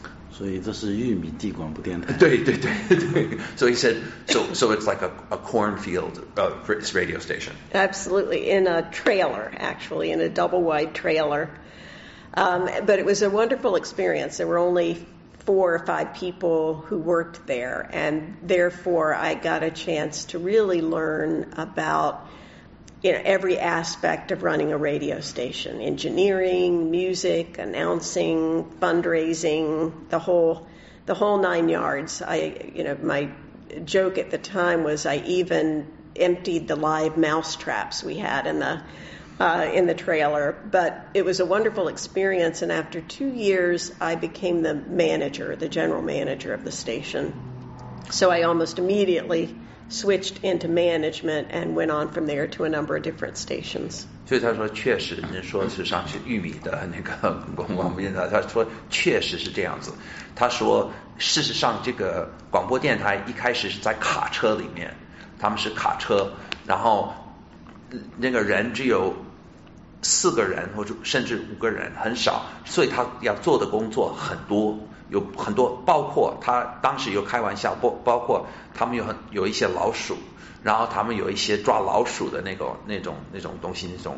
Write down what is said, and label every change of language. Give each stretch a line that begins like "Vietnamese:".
Chinese: 所以这是玉米地广播电台。对对对对，所以
English: so it's like a cornfield radio station. Absolutely, in a trailer, actually, in a double wide trailer. But it was a wonderful experience. There were only four or five people who worked there, and therefore I got a chance to really learn about, you know, every aspect of running a radio station: engineering, music, announcing, fundraising, the whole nine yards. My joke at the time was I even emptied the live mouse traps we had in the trailer. But it was a wonderful experience, and after 2 years, I became the general manager of the station. So I almost immediately switched into management and went on from there to a number of different stations.
Chinese: 所以他说确实，您说是上去玉米的那个广播电台，他说确实是这样子。他说事实上这个广播电台一开始是在卡车里面，他们是卡车，然后那个人只有四个人或者甚至五个人，很少，所以他要做的工作很多，有很多，包括他当时有开玩笑，包括他们有一些老鼠，然后他们有一些抓老鼠的那种东西，